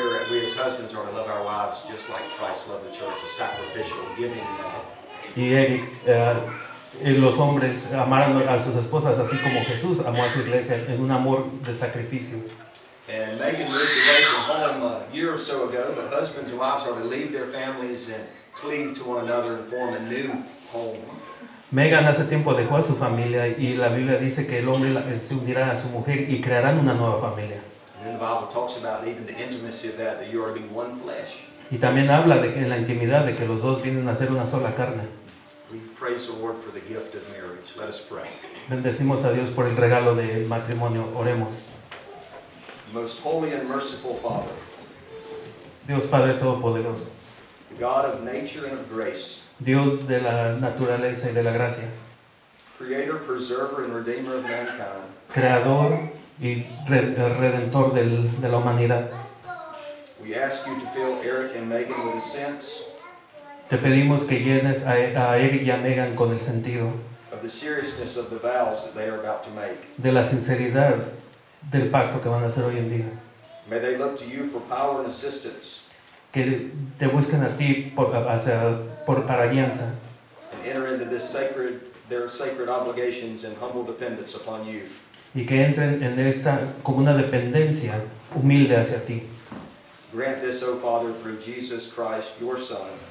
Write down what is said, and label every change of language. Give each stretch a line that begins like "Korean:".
English: We as husbands are to love our wives just like Christ loved the church, a sacrificial giving love.
Spanish: Y Eric, los hombres amaron a sus esposas así como Jesús amó a su iglesia en un amor de sacrificios.
English: And Megan moved away from home a year or so ago, but husbands and wives are to leave their families and cleave to one another and form a new home.
Spanish: Megan hace tiempo dejó a su familia y la Biblia dice que el hombre se unirá a su mujer y crearán una nueva familia.
English: And then the Bible talks about even the intimacy of that you are being one flesh.
Spanish: Y también habla de que en la intimidad de que los dos vienen a ser una sola carne.
English: Praise the Lord for the gift of marriage. Let us pray.
Spanish: Bendecimos a Dios por el regalo del matrimonio. Oremos.
English: Most holy and merciful Father.
Spanish: Dios Padre Todopoderoso.
English: God of nature and of grace.
Spanish: Dios de la naturaleza y de la gracia.
English: Creator, preserver, and redeemer of mankind.
Spanish: Creador y redentor de la humanidad.
English: We ask you to fill Eric and Megan with a sense.
Spanish: Te pedimos que llenes a Eric y a Megan con el sentido de la sinceridad del pacto que van a hacer hoy en día.
English: May they look to you for power and assistance.
Spanish: Que te busquen a ti para guianza.
English: And enter into this their sacred obligations and humble dependence upon you.
Spanish: Y que entren en esta como una dependencia humilde hacia ti.
English: Grant this, O Father, through Jesus Christ, your Son.